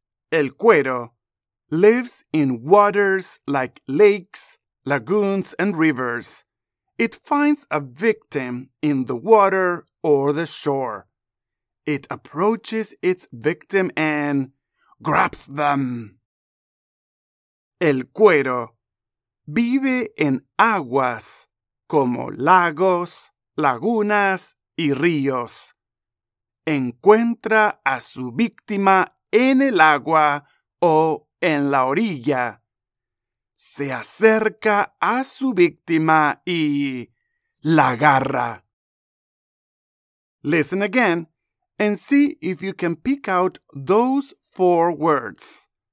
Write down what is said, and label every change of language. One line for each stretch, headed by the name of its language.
English: El cuero lives in waters like lakes, lagoons, and rivers. It finds a victim in the water or the shore. It approaches its victim and grabs them.
Spanish: El cuero vive en aguas como lagos, lagunas y ríos. Encuentra a su víctima en el agua o en la orilla. Se acerca a su víctima y la agarra.
English: Listen again and see if you can pick out those four words.